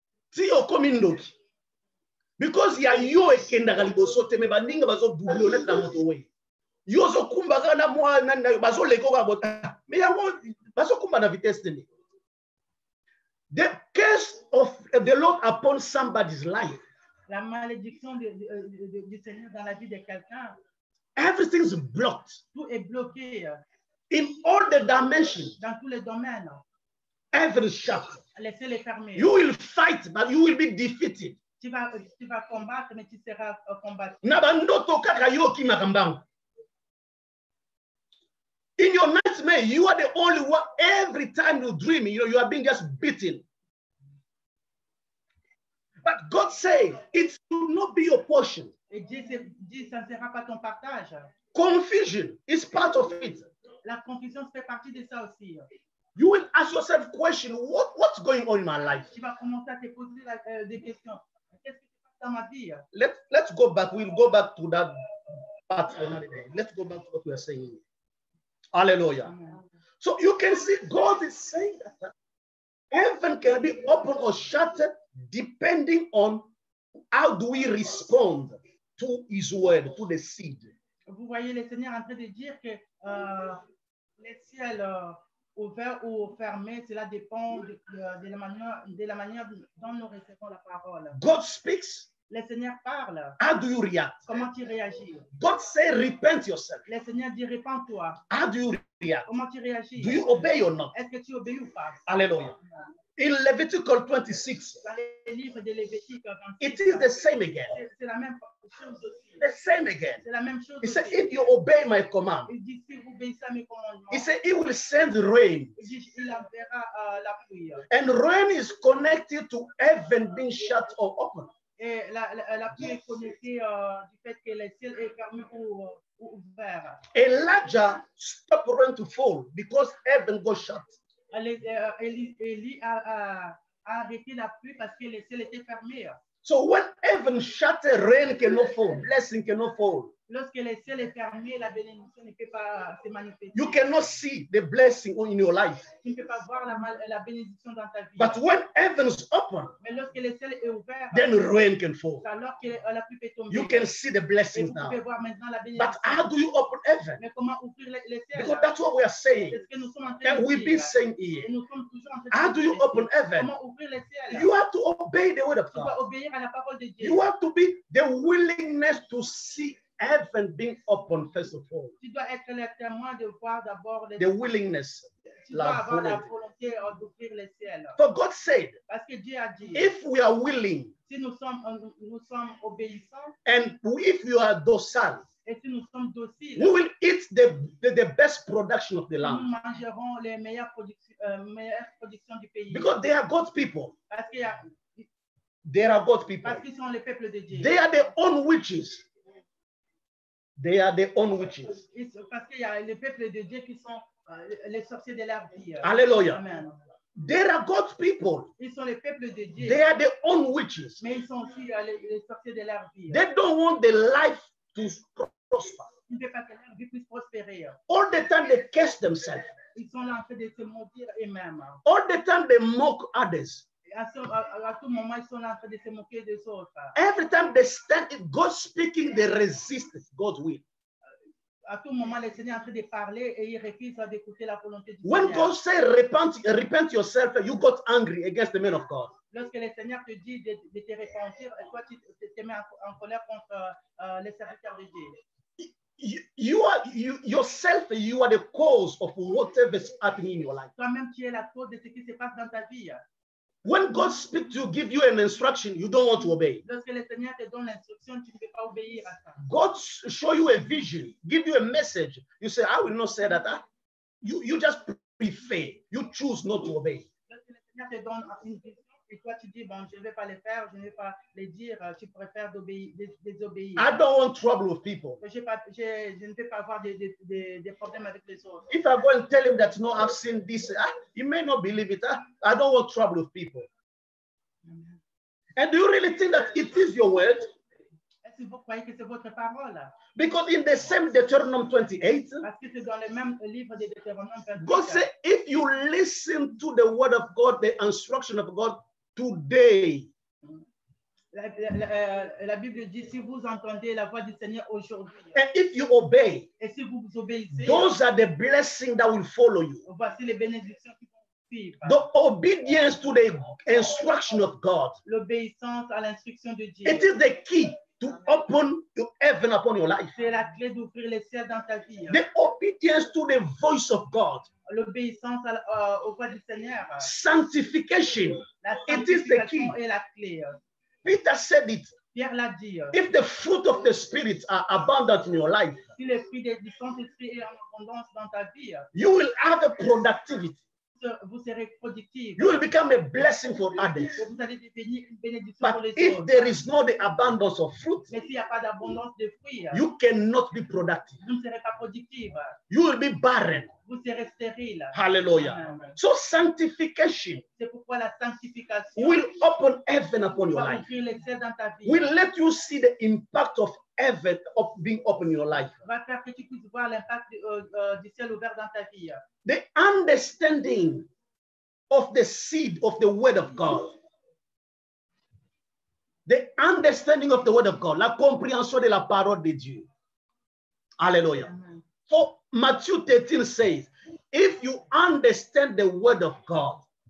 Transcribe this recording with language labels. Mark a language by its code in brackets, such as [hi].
[ln] Si au cominoki. Because ya yo ekenda galiboso te me baninga bazo [fr] bouillonner dans votre [ln] way. Yo zo kumba kana mwa nanda bazo leko ka bota. [fr] Mais ya [ln] mo bazo kumba na [fr] vitesse de [ln] ni. [en] The curse of the Lord upon somebody's life. [fr] La malédiction du Seigneur dans la vie de quelqu'un. [en] Everything's blocked. [fr] Tout est bloqué. [en] In all the dimensions. [fr] Dans tous les domaines. [en] Every shot. [fr] Laissez-les fermer. [en] You will fight, but you will be defeated. [fr] Tu vas combattre, mais tu seras combattu. [ln] Na bando toka kayo ki makambango. [en] In your nightmare, you are the only one. Every time you dream, you are being just beaten. But God says it will not be your portion. [fr] Et Dieu dit, ça ne sera pas ton partage. [en] Confusion is part of it. [fr] La confusion fait partie de ça aussi. [en] You will ask yourself question, what's going on in my life? [fr] Tu vas commencer à te poser des questions. Qu'est-ce qui se passe dans ma vie? [en] Let's go back. We'll go back to that part. Let's go back to what we are saying. Hallelujah. So you can see God is saying that heaven can be open or shut depending on how do we respond to his word, to the seed. [fr] Vous voyez le Seigneur en train de dire que les ciels ouverts ou fermés, cela dépend de la manière dont nous recevons la parole. [en] God speaks. [fr] Le Seigneur parle. [en] How do you react? [fr] Comment tu réagis? [en] God says, repent yourself. [fr] Le Seigneur dit, repens-toi. [en] How do you react? [fr] Comment tu réagis? [en] Do you obey or not? [fr] Est-ce que tu obéis ou pas? [en] Alléluia. In Leviticus 26, [fr] dans les livres de Lévitique [en] 26, it is the same again. [fr] C'est la même chose aussi. [en] The same again. [fr] C'est la même chose. [en] He said, if you obey my command, [fr] il dit, si vous obéissez à mes commandements, [en] he said, he will send rain. [fr] Il enverra la pluie. [en] And rain is connected to heaven being shut or open. [fr] Et la pluie est connectée du fait que le ciel est fermé ou ouvert. [en] Elijah stopped rain to fall because heaven got shut. [fr] Elie a arrêté la pluie parce que le ciel était fermé. [en] So when heaven shut, rain cannot fall, blessing cannot fall. [fr] Lorsque le ciel est fermé, la bénédiction ne peut pas se manifester. [en] You cannot see the blessing in your life. [fr] Tu ne peux pas voir la bénédiction dans ta vie. [en] But when heaven's open, [fr] mais lorsque le ciel est ouvert, [en] then rain can fall. [fr] C'est alors que la pluie peut tomber. [en] You can see the blessings now. [fr] Tu peux voir maintenant la bénédiction. [en] But how do you open heaven? [fr] Mais comment ouvrir le ciel? [en] Because that's what we are saying. [fr] C'est ce que nous sommes en train de dire. [en] And we've been saying here. [fr] Et nous sommes toujours en train de [en] dire. How do you open heaven? [fr] Comment ouvrir le ciel? [en] You have to obey the word of God. [fr] Tu dois obéir à la parole de Dieu. [en] You have to be the willingness to see heaven being open first of all. [fr] Tu dois être le témoin de voir d'abord [en] the willingness. [fr] Tu dois avoir la volonté d'ouvrir le ciel. [en] For God said, [fr] parce que Dieu a dit, [en] if we are willing, [fr] si nous sommes obéissants, [en] and if you are docile, [fr] et si nous sommes dociles, [en] we will eat the best production of the land. [fr] Nous mangerons les meilleures productions du pays. [en] Because they are God's people. [fr] Parce qu'il y a, [en] they are God's people. [fr] Parce qu'ils sont les peuples de Dieu. [en] They are their own witches. They are their own witches. [fr] Parce qu'il y a les peuples de Dieu qui sont les sorciers de leur vie. Alléluia. Amen. [en] They are God's people. [fr] Ils sont les peuples de Dieu. [en] They are their own witches. [fr] Mais ils sont aussi les sorciers de leur vie. [en] They don't want the life to prosper. [fr] Ils ne veulent pas que leur vie puisse prospérer. [en] All the time they curse themselves. [fr] Ils sont là en train de se maudire eux-mêmes. [en] All the time they mock others. [fr] À tout moment, ils sont là en train de se moquer des autres. [en] Every time they stand, God speaking, they resist God's will. [fr] À tout moment, le Seigneur est en train de parler et il refuse d'écouter la volonté du Seigneur. [en] When God says, repent yourself, you got angry against the man of God. [fr] Lorsque le Seigneur te dit de te repentir, toi, tu te mets en colère contre les serviteurs de Dieu. [en] You are the cause of whatever is happening in your life. [fr] Toi-même, tu es la cause de ce qui se passe dans ta vie. [en] When God speaks to you, give you an instruction, you don't want to obey. [fr] Lorsque le Seigneur te donne l'instruction, tu ne peux pas obéir à ça. [en] God show you a vision, give you a message. You say, I will not say that. You just prefer. You choose not to obey. [fr] Lorsque le Seigneur te donne une vision, tu Et toi, tu dis, bon, je ne vais pas les faire, je ne vais pas les dire, tu préfères désobéir. [en] I don't want trouble with people. [fr] Je ne vais pas avoir des problèmes avec les autres. [en] If I go and tell him that, no, I've seen this, he may not believe it. I don't want trouble with people. And do you really think that it is your word? [fr] Est-ce que vous croyez que c'est votre parole? [en] Because in the same Deuteronomy 28, [fr] parce que c'est dans le même livre de Deutéronome 28, [en] God said, if you listen to the word of God, the instruction of God today. [fr] La Bible dit, si vous entendez la voix du Seigneur aujourd'hui, [en] and if you obey, [fr] et si vous vous obéissez, [en] those are the blessings that will follow you. [fr] Voici les bénédictions qui vont suivre. [en] The obedience to the instruction of God. [fr] L'obéissance à l'instruction de Dieu. [en] It is the key to open to heaven upon your life. [fr] C'est la clé d'ouvrir les cieux dans ta vie. [en] The obedience to the voice of God. [fr] L'obéissance au voix du Seigneur. [en] Sanctification. [fr] La sanctification est la clé. [en] Peter said it. [fr] Pierre l'a dit. [en] If the fruit of the Spirit are abundant in your life, [fr] si le fruit du Saint-Esprit est en abondance dans ta vie, [en] you will have a productivity. [fr] Vous serez productive. [en] You will become a blessing for others. [fr] Vous allez devenir une bénédiction [en] but [fr] pour les autres. [en] If there is not the abundance of fruit, [fr] mais s'il n'y a pas d'abondance de fruits, [en] you cannot be productive. [fr] Vous ne serez pas productive. [en] You will be barren. [fr] Vous serez stérile. [en] Hallelujah. Amen. So sanctification, [fr] c'est pourquoi la sanctification [en] will open heaven upon your life. [fr] Ouvrir les cieux dans ta vie. [en] Will let you see the impact of heaven of being open in your life. [fr] Va faire que tu puisses voir l'impact du ciel ouvert dans ta vie. [en] The understanding of the seed of the word of God. The understanding of the word of God. [fr] La compréhension de la parole de Dieu. Alléluia. [en] For Matthew 13 says, if you understand the word of God.